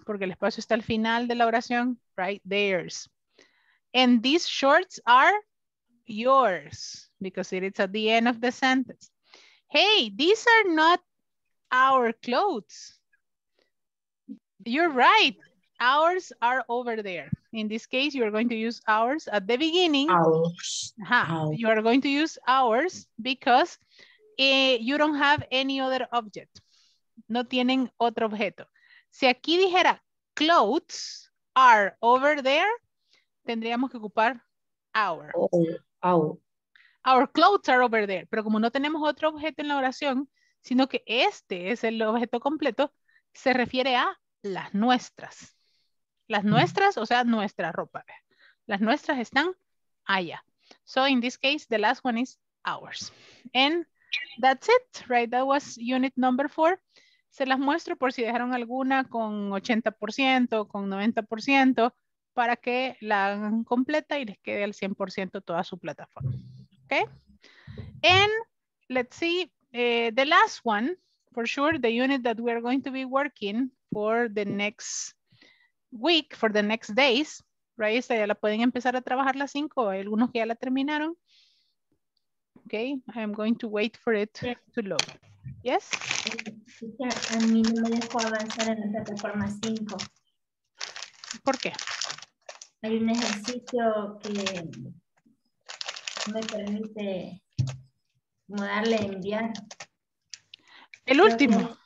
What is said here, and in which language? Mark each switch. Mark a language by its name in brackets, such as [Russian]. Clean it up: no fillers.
[Spanish] Porque el espacio está al final de la oración, right? [English] Theirs. And these shorts are yours. Because it's at the end of the sentence. Hey, these are not our clothes. You're right. Ours are over there. In this case, you're going to use ours at the beginning. Ours. Uh-huh. You are going to use ours because you don't have any other object. [Spanish] No tienen otro objeto. Si aquí dijera [English] clothes are over there, [Spanish] tendríamos que ocupar our. [English] Our. Our clothes are over there. [Spanish] Pero como no tenemos otro objeto en la oración, sino que este es el objeto completo, se refiere a las nuestras. Las nuestras, o sea, nuestra ropa. Las nuestras están allá. [English] So in this case, the last one is ours. And that's it, right? That was unit number 4. [Spanish] Se las muestro por si dejaron alguna con 80%, con 90%, para que la hagan completa y les quede al 100% toda su plataforma. [English] Okay, and let's see the last one for sure, the unit that we are going to be working for the next week, for the next days, right? [Spanish] Esta ya la pueden empezar a trabajar las 5, hay algunos que ya la terminaron. [English] Okay, I'm going to wait for it to load. Yes? [Spanish] A mí no me dejó avanzar en la plataforma 5. ¿Por qué? Hay un ejercicio que me permite como darle enviar. El último.